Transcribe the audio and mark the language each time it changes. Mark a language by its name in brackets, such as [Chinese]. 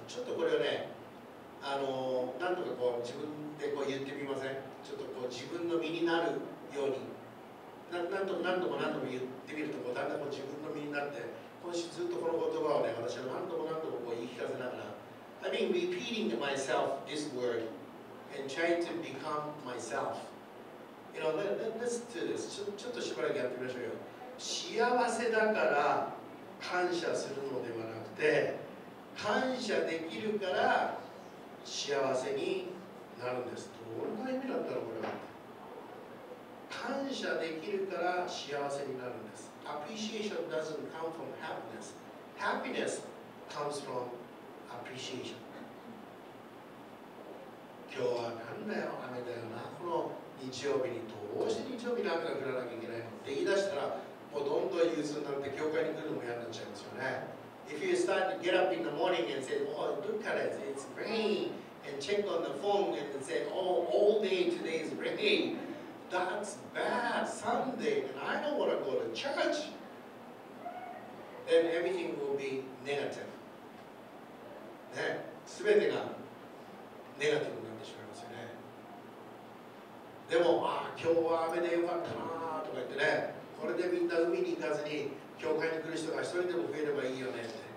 [Japanese] ちょっとこれをね、なんとかこう自分でこう言ってみません。ちょっとこう自分の身になるように、何度も言ってみるとこうだんだんこう自分の身になって。今週ずっとこの言葉をね、私は何度も言い聞かせながら、 [English] I've been repeating to myself this word and trying to become myself. You know, let's do this. [Japanese] ちょっとしばらくやってみましょうよ。幸せだから感謝するのではなくて、感謝できるから幸せになるんです。どんな意味だったのこれは。感謝できるから幸せになるんです。 [English] Appreciation doesn't come from happiness. Happiness comes from appreciation. [Japanese] 今日はなんだよ、雨だよな。この日曜日にどうして日曜日に雨が降らなきゃいけないのって言い出したら、もうどんどん憂鬱になって教会に来るのも嫌になっちゃいますよね。 [English] If you start to get up in the morning and say, oh, look at it, it's raining, and check on the phone and say, oh, all day today is raining. That's bad Sunday, and I don't want to go to church. Then everything will be negative. [Japanese] ね、すべてがネガティブになってしまいますよね。でも、ああ、今日は雨でよかったなとか言ってね、これでみんな海に行かずに、教会に来る人が一人でも増えればいいよねって。